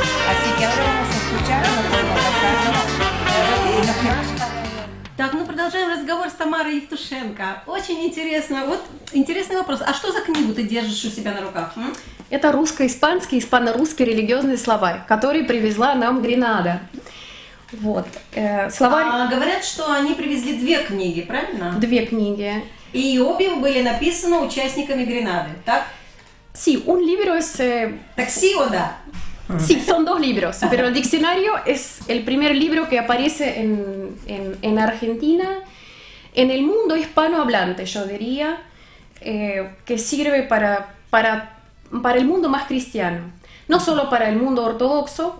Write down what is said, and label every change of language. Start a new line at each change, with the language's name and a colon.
Spanish: Así que ahora vamos a escuchar lo que está pasando.
Russian: Так, мы продолжаем разговор с Тамарой Евтушенко. Очень интересно. Вот интересный вопрос. А что за книгу ты держишь у себя на руках? Это русско-испанский, испано-русский религиозный словарь, который привезла нам Гренада. Вот. Словарь... А говорят, что они привезли две книги, правильно? Две книги. И обе были написаны участниками Гренады, так?
Spanish: Sí, un libro es...
Russian: Так,
Spanish: sí, o
Russian: да?
Spanish: Sí, son dos libros, pero el diccionario es el primer libro que aparece en Argentina, en el mundo hispanohablante, yo diría, que sirve para el mundo más cristiano, no solo para el mundo ortodoxo.